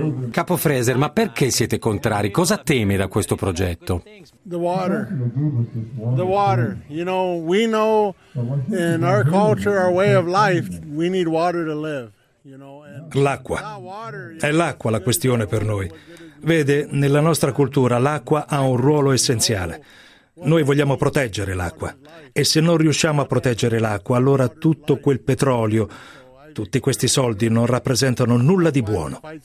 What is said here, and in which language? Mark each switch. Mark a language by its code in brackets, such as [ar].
[it] Capo Fraser, ma perché siete contrari? Cosa teme da questo progetto? [en] The water. We know in our culture, our way of life, we need water to live. [it] L'acqua. È l'acqua la questione per noi. Vede, nella nostra cultura l'acqua ha un ruolo essenziale. Noi vogliamo proteggere l'acqua e se non riusciamo a proteggere l'acqua, allora tutto quel petrolio, tutti questi soldi non rappresentano nulla di buono.